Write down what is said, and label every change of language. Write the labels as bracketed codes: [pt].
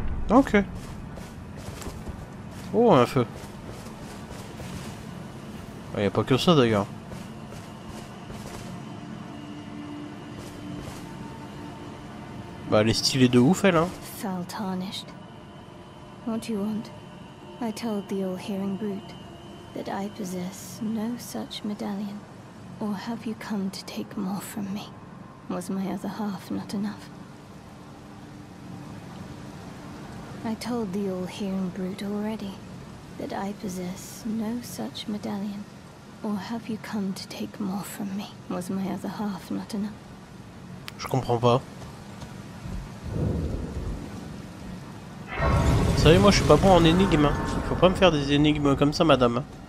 [fr] Ok. Oh, un feu. Il n'y a pas que ça d'ailleurs. Bah, elle est stylée de ouf, elle, hein. [en] Foul tarnished. What do you want? I told the all-hearing brute that I possess no such medallion. Or have you come to take more from me? Was my other half not enough? I told the all-hearing brute already that I possess no such medallion. Or have you come to take more from me? Was my other half not enough? [fr] Je comprends pas. Vous savez, moi, je suis pas bon en énigmes. Faut pas me faire des énigmes comme ça, madame.